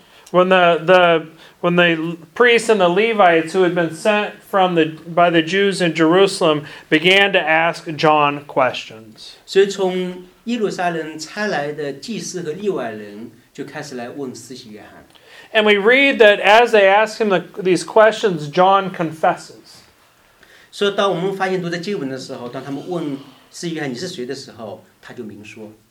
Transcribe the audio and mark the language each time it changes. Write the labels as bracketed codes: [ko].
[en] When the priests and the Levites who had been sent from the by the Jews in Jerusalem began to ask John questions. [zh] 所以从耶路撒冷差来的祭司和利外人就开始来问司洗约翰。 [en] And we read that as they ask him these questions, John confesses. [zh] 所以当我们发现读的经文的时候，当他们问司洗约翰你是谁的时候，他就明说。